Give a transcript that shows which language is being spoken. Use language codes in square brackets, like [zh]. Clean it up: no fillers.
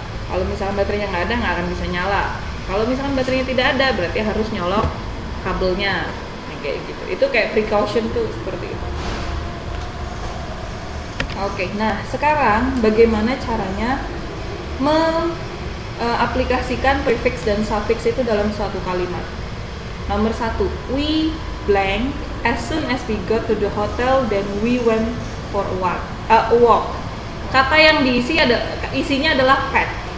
[id] Kalau misalkan baterainya nggak ada, nggak akan bisa nyala. Kalau misalkan baterainya tidak ada, berarti harus nyolok kabelnya, kayak gitu. Itu kayak precaution tuh, seperti itu. Oke, nah sekarang bagaimana caranya mengaplikasikan prefix dan suffix itu dalam suatu kalimat. [en] Nomor 1, we blank as soon as we got to the hotel, then we went for a walk. [id] Kata yang diisi ada isinya adalah pet.